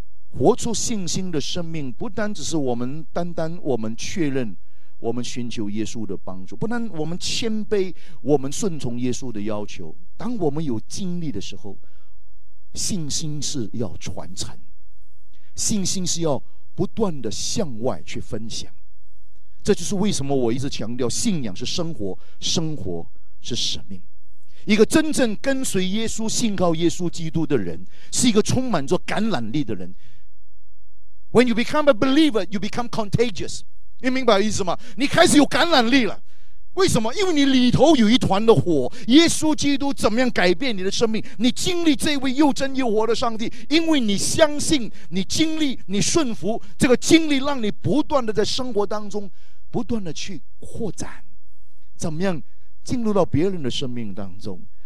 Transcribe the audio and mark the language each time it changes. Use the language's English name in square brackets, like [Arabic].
[Chinese] 活出信心的生命，不单只是我们单单我们确认我们寻求耶稣的帮助，不但我们谦卑，我们顺从耶稣的要求，当我们有经历的时候，信心是要传承，信心是要不断的向外去分享。这就是为什么我一直强调信仰是生活，生活是使命。一个真正跟随耶稣、信靠耶稣基督的人，是一个充满着感染力的人。 [English] When you become a believer, you become contagious。 [Chinese] 你明白意思吗？你开始有感染力了。为什么？因为你里头有一团的火，耶稣基督怎么样改变你的生命，你经历这位又真又活的上帝，因为你相信，你经历，你顺服，这个经历让你不断的在生活当中不断的去扩展，怎么样进入到别人的生命当中。